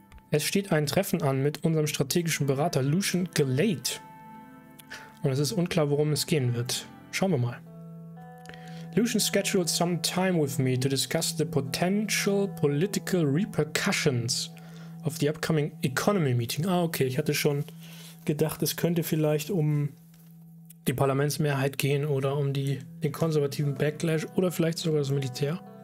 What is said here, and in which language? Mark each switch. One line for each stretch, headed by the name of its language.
German: Es steht ein Treffen an mit unserem strategischen Berater Lucian Gelate. Und es ist unklar, worum es gehen wird. Schauen wir mal.
English: Lucian scheduled some time with me to discuss the potential political repercussions of the upcoming economy meeting.
German: Ah, okay, ich hatte schon gedacht, es könnte vielleicht um die Parlamentsmehrheit gehen oder um den konservativen Backlash oder vielleicht sogar das Militär.